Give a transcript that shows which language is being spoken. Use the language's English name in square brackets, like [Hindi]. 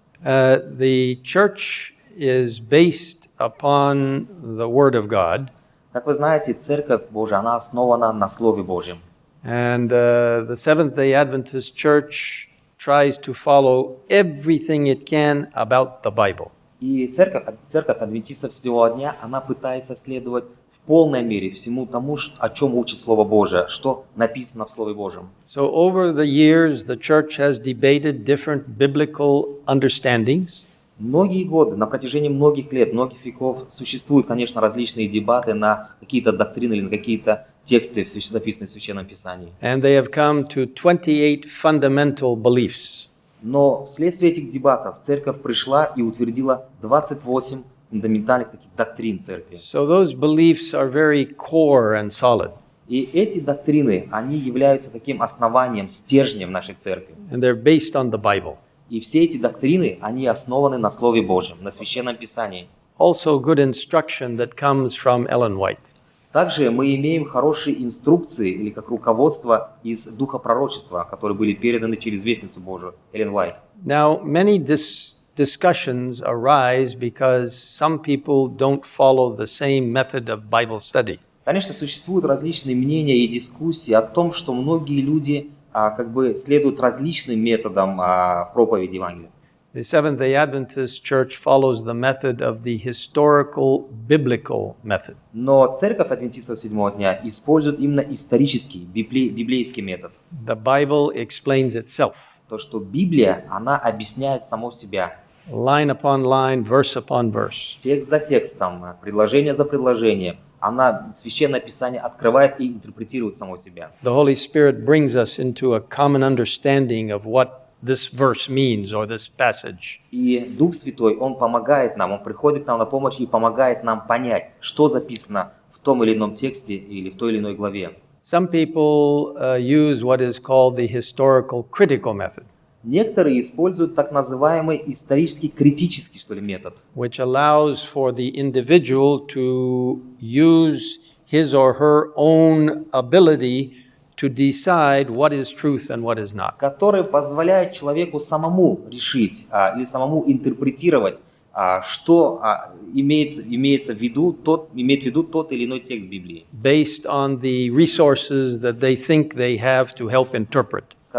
[English] The church is based upon the Word of God. [Russian] Как вы знаете, Церковь Божия, она основана на Слове Божьем. [English] And the Seventh-day Adventist Church tries to follow everything it can about the Bible. [Russian] И церковь адвентистов седьмого дня, она пытается следовать в полной мере всему тому, о чем учит Слово Божие, что написано в Слове Божьем. [English] So over the years the church has debated different biblical understandings. [Russian] Многие годы, на протяжении многих лет, многих веков существуют, конечно, различные дебаты на какие-то доктрины или на какие-то тексты, записанные в Священном Писании. [English] And they have come to 28 fundamental beliefs. [Russian] Но вследствие этих дебатов церковь пришла и утвердила 28 фундаментальных таких доктрин церкви. [English] So those beliefs are very core and solid. [Russian] И эти доктрины, они являются таким основанием, стержнем нашей церкви. [English] And they're based on the Bible. [Russian] И все эти доктрины, они основаны на Слове Божьем, на Священном Писании. [English] Also good instruction that comes from Ellen White. [Russian] Также мы имеем хорошие инструкции или как руководство из Духа Пророчества, которые были переданы через Вестницу Божию Эллен Уайт. [English] Now many discussions arise because some people don't follow the same method of Bible study. [Russian] Конечно, существуют различные мнения и дискуссии о том, что многие люди следуют различным методам проповеди Евангелия. [English] The Seventh-day Adventist Church follows the method of the historical biblical method. [Russian] Но церковь адвентистов седьмого дня использует именно исторический, библейский метод. [English] The Bible explains itself. [Russian] То, что Библия, она объясняет само себя. [English] Line upon line, verse upon verse. [Russian] Текст за текстом, предложение за предложением. Она Священное Писание открывает и интерпретирует само себя. [English] The Holy Spirit brings us into a common understanding of what this verse means or this passage. [Russian] И Дух Святой, он помогает нам, он приходит к нам на помощь и помогает нам понять, что записано в том или ином тексте или в той или иной главе. [English] Some people use what is called the historical critical method. [Russian] Некоторые используют так называемый исторический критический, что ли, метод, [English] which allows for the individual to use his or her own ability to decide what is truth and what is not. [Russian] Который позволяет человеку самому решить или самому интерпретировать, что имеет в виду тот или иной текст Библии. [English] Based on the resources that they think they have to help interpret.